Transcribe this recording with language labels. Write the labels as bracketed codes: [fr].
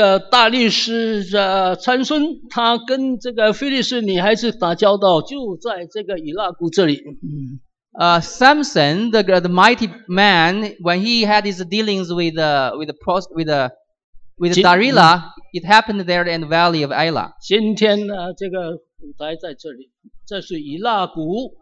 [zh] 大力士参孙，他跟这个腓力斯女孩子打交道，就在这个以拉谷这里。 [en] Samson, the mighty man, when he had his dealings with Darila, it happened there in the valley of Elah. [zh] 今天呢，这个舞台在这里，这是以拉谷。